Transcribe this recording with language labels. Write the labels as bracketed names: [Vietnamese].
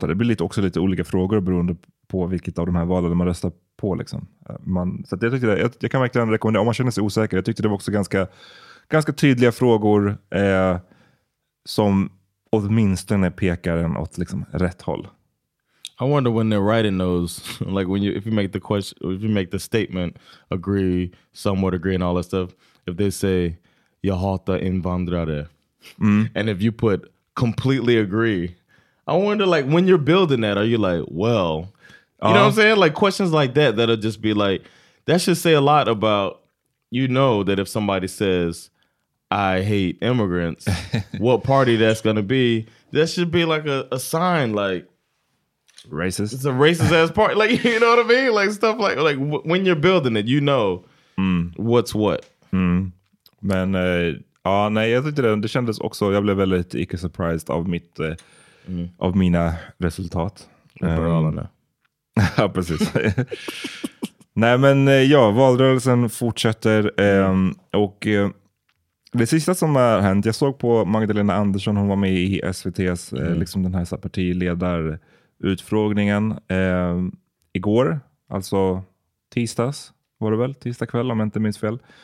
[Swedish] Det blir lite, också lite olika frågor beroende på vilket av de här valen man röstar på. Liksom. Så att jag kan verkligen rekommendera, om man känner sig osäker. Jag tyckte det var också ganska, ganska tydliga frågor som åtminstone pekar en åt liksom, rätt håll. [English] I wonder when they're writing those, like when you, if you make the question, if you make the statement, agree, somewhat agree and all that stuff, if they say, [Swedish] jag hatar invandrare, [English] and if you put completely agree, I wonder like when you're building that, are you like, well, you know what I'm saying? Like questions like that, that'll just be like, that should say a lot about, you know, that if somebody says, I hate immigrants, what party that's gonna be, that should be like a sign, like, racist. It's a racist ass part, like, you know what I mean? Like stuff like when you're building it, you know what's what. [Swedish] Men nej, jag tyckte det kändes också, jag blev väldigt icke surprised av mitt av mina resultat. Liberalerna. Ja, precis. Nej, men ja, valrörelsen fortsätter och det sista som har hänt, jag såg på Magdalena Andersson, hon var med i SVT:s liksom den här partiledar utfrågningen igår, alltså tisdags var det väl, tisdag kväll om jag inte minns fel.